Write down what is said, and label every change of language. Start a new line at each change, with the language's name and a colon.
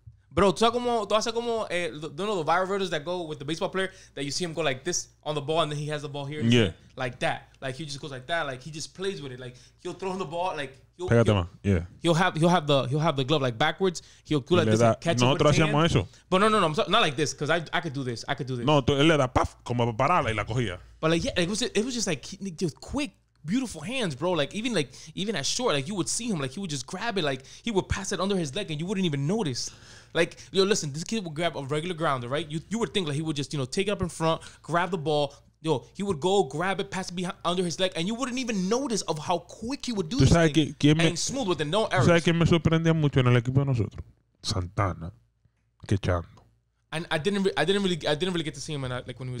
English: Bro,
Spanish: tú haces como
English: the viral videos that go with the baseball player that you see him go like this on the ball and then he has the ball here. Yeah. Like that. Like he just goes like that. Like he just plays with it. Like he'll throw him the ball. Like he'll have the glove like backwards. He'll go like this and catch it with his hand.
Spanish: Eso.
English: But no, I'm sorry, not like this because I could do this. I could do this.
Spanish: No, él le da paf como para pararla y la cogía.
English: But like, yeah, it was just like just quick. Beautiful hands, bro. Like even at short, like you would see him, like he would just grab it, like he would pass it under his leg and you wouldn't even notice. Like, yo, listen, this kid would grab a regular grounder, right? You would think like he would just, you know, take it up in front, grab the ball. Yo, he would go grab it, pass it behind under his leg, and you wouldn't even notice of how quick he would do this thing. And smooth with it, no errors.
Spanish: ¿Sabes qué me sorprendía mucho en el equipo de nosotros? Santana. Que chando.
English: And I didn't really get to see him when he was.